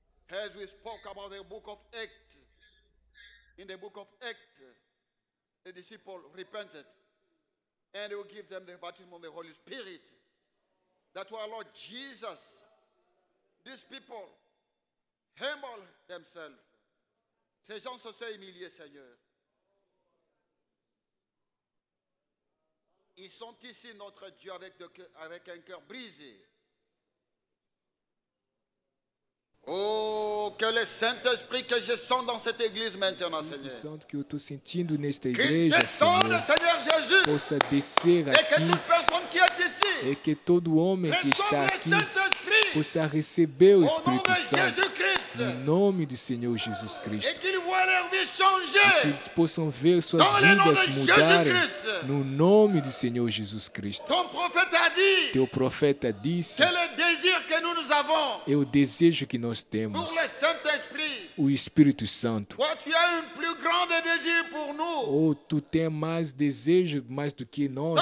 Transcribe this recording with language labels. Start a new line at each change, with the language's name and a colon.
English: As we spoke about the book of Acts, in the book of Acts, the disciples repented and you give them the baptism of the Holy Spirit. That's why, Lord Jesus, these people humble themselves.
French: Ces gens se sont humiliés, Seigneur. Ils sont ici, notre Dieu, avec un cœur brisé. Oh, que le Saint-Esprit que je sens dans cette église maintenant, Seigneur. Je sens que tu
Portuguese: es sentindo nesta igreja.
French: Que descende, Seigneur Jésus.
Portuguese: Possa descer aqui.
French: Et que toute personne qui est ici.
Portuguese: Et que todo homem que está aqui.
French: Reçoive le Saint-Esprit.
Portuguese: Possa receber o Espírito Santo.
French: Au nom de Jésus-Christ.
Portuguese: No nome do Senhor Jesus Cristo.
French: Et qu'ils voient leur vie changer.
Portuguese: Que eles possam ver suas vidas mudarem. No nome do Senhor Jesus Cristo.
French: Ton prophète a dit.
Portuguese: Teu profeta disse.
French: Que le désir que nous avons.
Portuguese: E o desejo que nós temos.
French: Pour le Saint-Esprit.
Portuguese: O Espírito Santo.
French: Toi, tu as un plus grand désir pour nous.
Portuguese: Oh, tu tens mais desejo mais do que nós.